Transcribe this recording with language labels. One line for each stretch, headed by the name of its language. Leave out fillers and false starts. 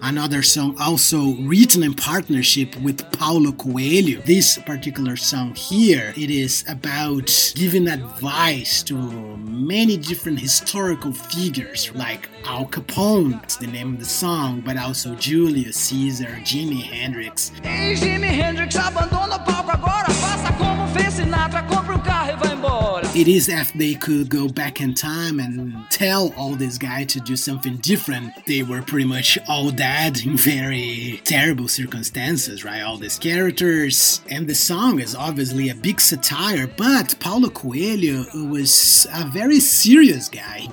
English: Another song also written in partnership with Paulo Coelho. This particular song here, it is about giving advice to many different historical figures, like Al Capone, that's the name of the song, but also Julius Caesar, Jimi Hendrix.
Portuguese: Hey, Jimi Hendrix, abandona o palco agora, faça como fez Sinatra, compre carro e vai embora.
English: It is if they could go back in time and tell all these guys to do something different. They were pretty much all dead in very terrible circumstances, right? All these characters. And the song is obviously a big satire, but Paulo Coelho was a very serious guy.